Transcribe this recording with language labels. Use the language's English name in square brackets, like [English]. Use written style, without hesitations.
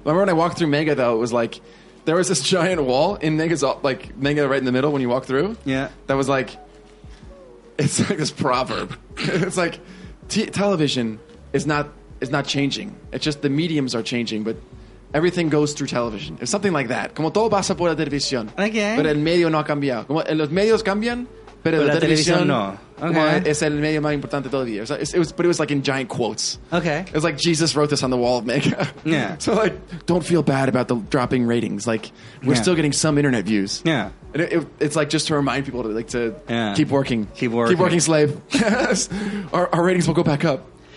[English] Remember when I walked through Mega, though, it was like... There was this giant wall in Mega's, like, Mega right in the middle when you walk through. Yeah. That was like, it's like this proverb. It's like, television is not changing. It's just the mediums are changing, but everything goes through television. It's something like that. [Spanish] Como todo pasa por la televisión. [English] Okay. [Spanish] Pero el medio no ha cambiado. Como los medios cambian, pero la televisión no. [English] Okay. [Spanish] Es el medio más importante todavía. [English] But it was like in giant quotes. Okay. It was like Jesus wrote this on the wall of Mega. Yeah. So like, don't feel bad about the dropping ratings. Like, we're still getting some internet views. Yeah. And it's like just to remind people to keep working. Keep working. Keep working, slave. our ratings will go back up.